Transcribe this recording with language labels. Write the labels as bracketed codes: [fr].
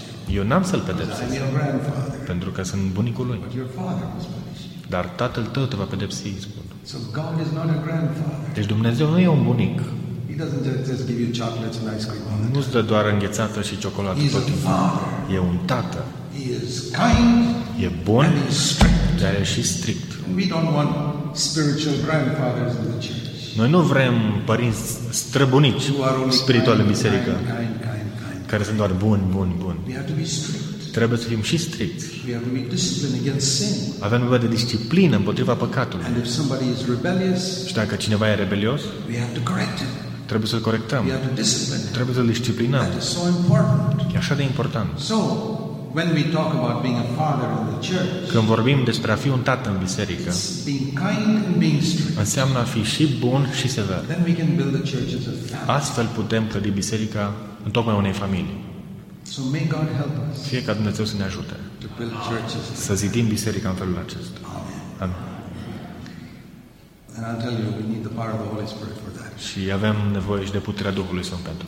[ro] Eu n-am să-l pedepsesc. Pentru că sunt bunicul lui. Dar tatăl tău te va pedepsi, spun. [en] So God is not a grandfather. [ro] Deci Dumnezeu nu e un bunic. [en] He doesn't just give you chocolates and ice cream. [ro] Nu îți dă doar înghețată și ciocolată tot timpul. E un tată. [en] He is kind. [ro] E bun. [en] And he is strict. [ro] Dar e și strict. [en] We don't want spiritual grandfathers in the church. [ro] Noi nu vrem părinți străbunici spirituali în biserică. Care sunt doar buni, buni, buni. [en] We have to be strict. [ro] Trebuie să fim și stricți. [en] We have to be disciplined against sin. [ro] Avem nevoie de disciplină împotriva păcatului. [en] And if somebody is rebellious, [ro] și dacă cineva e rebelios, [en] we have to correct him. [ro] Trebuie să-l corectăm. [en] We have to discipline. [ro] Trebuie să-l disciplinăm. [en] That is so important. [ro] E așa de important. [en] So, when we talk about being a father in the church, [ro] când vorbim despre a fi un tată în biserică, [en] it's being kind and being strict. [ro] Înseamnă a fi și bun și sever. [en] Then we can build the church as a family. [ro] Astfel putem clădi biserica în tocmai unei familii. [en] So may God help us. [ro] Fie ca Dumnezeu să ne ajute. [en] To build churches. [ro] Să zidim biserica în felul acesta. Amen. [en] And I'll tell you, we need the power of the Holy Spirit for that. [ro] Și avem nevoie și de puterea Duhului Sfânt pentru